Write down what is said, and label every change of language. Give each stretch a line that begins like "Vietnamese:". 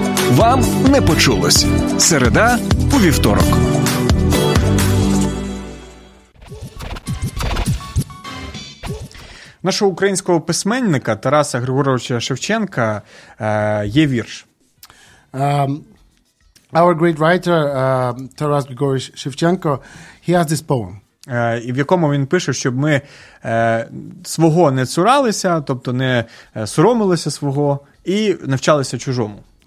Ukrainian: Вам не почулось. Середа у вівторок. Нашого українського письменника Тараса Григоровича Шевченка є вірш.
English: Our great writer Taras Grigorievich Shevchenko, he has this poem.
Ukrainian: І в якому він пише, щоб ми свого не цуралися, тобто не соромилися свого і навчалися чужому.